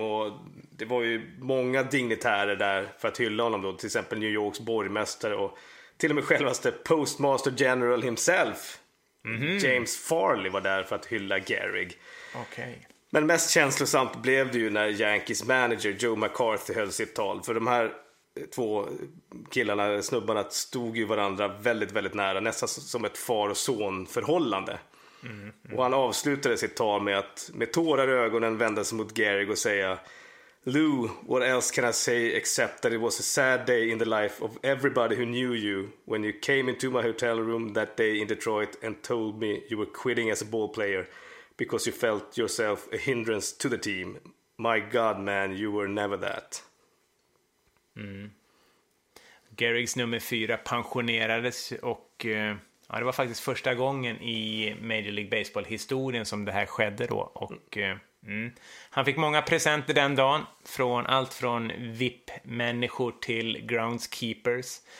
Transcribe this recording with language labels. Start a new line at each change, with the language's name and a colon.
Swedish: Och det var ju många dignitärer där för att hylla honom då, till exempel New Yorks borgmästare och till och med självaste Postmaster General himself, James Farley, var där för att hylla Gehrig. Okay. Men mest känslosamt blev det ju när Yankees manager Joe McCarthy höll sitt tal. För de här 2 killarna, snubbarna, stod ju varandra väldigt, väldigt nära. Nästan som ett far- och son-förhållande. Och han avslutade sitt tal med att med tårar i ögonen vända sig mot Gehrig och säga:
English: "Lou, what else can I say except that it was a sad day in the life of everybody who knew you when you came into my hotel room that day in Detroit and told me you were quitting as a ball player because you felt yourself a hindrance to the team. My God, man, you were never that."
Swedish: Gehrigs nummer 4 pensionerades, och det var faktiskt första gången i Major League Baseball-historien som det här skedde då. Och han fick många presenter den dagen, från allt från VIP-människor till groundskeepers.